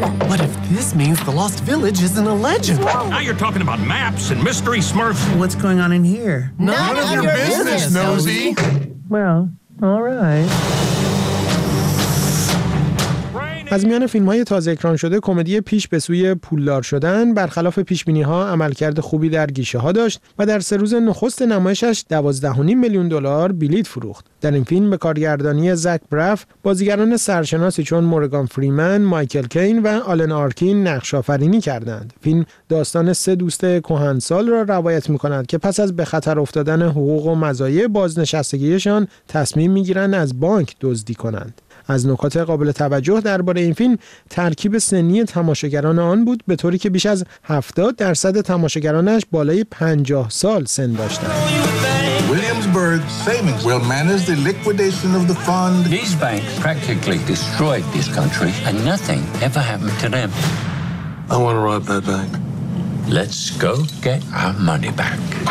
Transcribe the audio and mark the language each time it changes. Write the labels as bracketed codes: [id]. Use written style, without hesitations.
[en] What if this means the lost village isn't a legend? Now you're talking about maps and mystery smurfs. What's going on in here? None of your business, Nosy. Well, all right. [fa] از میان فیلم‌های تازه اکران شده کمدی پیش به سوی پولدار شدن برخلاف پیشبینی‌ها عملکرد خوبی در گیشه‌ها داشت و در سه روز نخست نمایشش 12.5 میلیون دلار بلیط فروخت. در این فیلم به کارگردانی زک براف بازیگران سرشناسی چون مورگان فریمن، مایکل کین و آلن آرکین نقش‌آفرینی کردند. فیلم داستان سه دوست کهنسال را روایت می‌کند که پس از به خطر افتادن حقوق و مزایای بازنشستگیشان تصمیم می‌گیرند از بانک دزدی کنند. از نکات قابل توجه درباره این فیلم ترکیب سنی تماشاگران آن بود به طوری که بیش از 70% تماشاگرانش بالای 50 سال سن داشتند. [en] Williamsburg Savings will manage the liquidation of the fund. These banks practically destroyed this country and nothing ever happened to them. I want to rob that bank. Let's go get our money back.